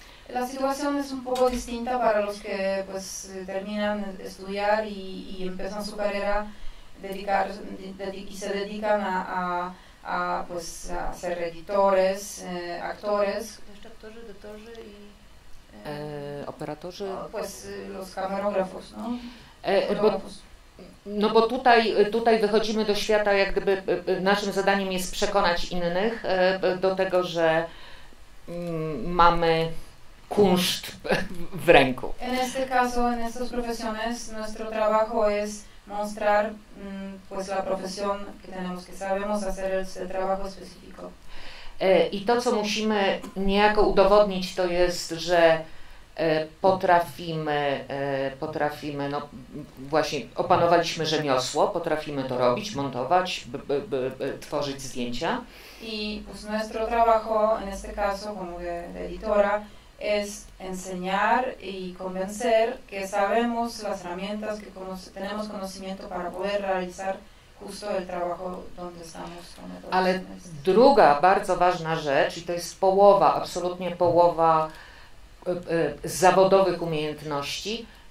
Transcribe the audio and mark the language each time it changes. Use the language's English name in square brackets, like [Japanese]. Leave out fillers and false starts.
[Spanish] La situación es un poco distinta para los que pues terminan estudiar y empiezan su carrera y se dedican a pues a ser editores, actores. [Polish] Jeszcze aktorzy i operatorzy. [Spanish] No, pues los camarógrafos, no? [Polish] No bo tutaj wychodzimy do świata, jak gdyby naszym zadaniem jest przekonać innych do tego, że mamy kunszt w ręku. [Spanish] En este caso, en estas profesiones, nuestro trabajo es mostrar pues la profesión que tenemos, que sabemos hacer el trabajo específico. [Polish] I to, co musimy niejako udowodnić, to jest, że potrafimy, no właśnie opanowaliśmy rzemiosło, potrafimy to robić, montować, tworzyć zdjęcia. [Spanish] I pues nuestro trabajo en este caso, como de editora, es enseñar y convencer que sabemos las herramientas, que tenemos conocimiento para poder realizar justo el trabajo donde estamos. [Polish] Ale druga bardzo ważna rzecz, i to jest połowa, absolutnie połowa zawodowych umiejętności,